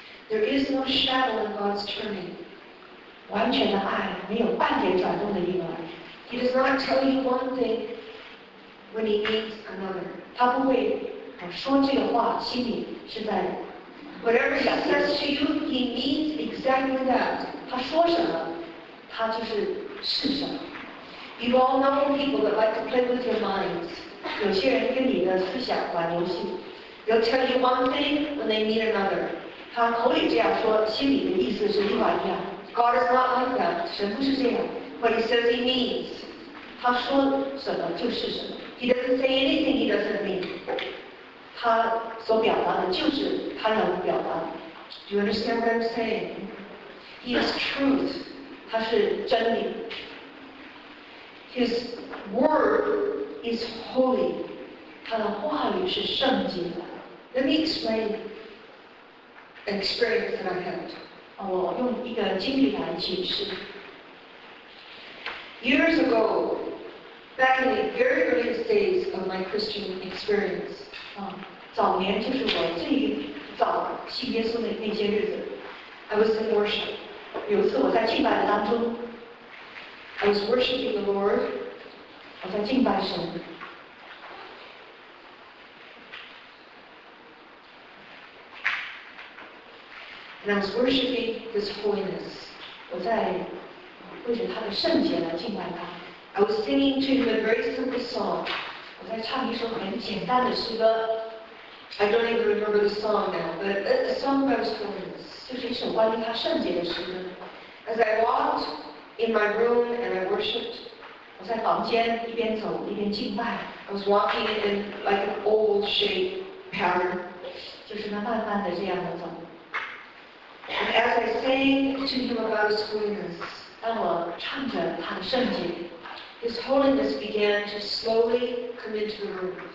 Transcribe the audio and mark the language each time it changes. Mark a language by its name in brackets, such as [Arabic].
[English] There is no shadow of God's turning, [Chinese] 完全的爱没有半点转动的意外。 [English] He does not tell you one thing when he needs another. [Chinese] 他不会说这个话，心里是在。 [English] Whatever he says to you, he means exactly that. [Chinese] 他说什么，他就是是什么。 [English] You all know people that like to play with your minds. [Chinese] 有些人跟你的思想玩游戏。 [English] They'll tell you one thing when they meet another. [Chinese] 他口里这样说，心里的意思是另外一样。 [English] God is not like that. [Chinese] 神不是这样。 [English] What he says he means. [Chinese] 他说什么就是什么。 [English] He doesn't say anything he doesn't mean. [Chinese] 他所表达的就是他要表达的。 [English] Do you understand what I'm saying? He is truth. [Chinese] 他是真理。 [English] His word is holy. [Chinese] 他的话语是圣洁的。 [English] Let me explain an experience that I had. [Chinese] 我用一个经历来解释。 [English] Years ago, back in the very earliest days of my Christian experience. [Chinese] 早年就是我最早信耶稣的那些日子。 [English] I was in worship. [Chinese] 有一次我在敬拜当中。 [English] I was worshiping the Lord. [Chinese] 我在敬拜神。 [English] And I was worshiping His holiness. [Chinese] 我在为着他的圣洁来敬拜他。 [English] I was singing to Him a very simple song. [Chinese] 我在唱一首很简单的诗歌。 [English] I don't even remember the song now, but a song about His holiness. [Chinese] 就是一首关于他圣洁的诗歌。 [English] As I walked. In my room, and I worshipped. [Chinese] 我在房间一边走一边敬拜。 [English] I was walking in like an old shape pattern. [Chinese] 就是那慢慢的这样的走。 [English] And as I sang to Him about His holiness, [Chinese] 当我唱着他的圣洁 [English] ，His holiness began to slowly come into the room.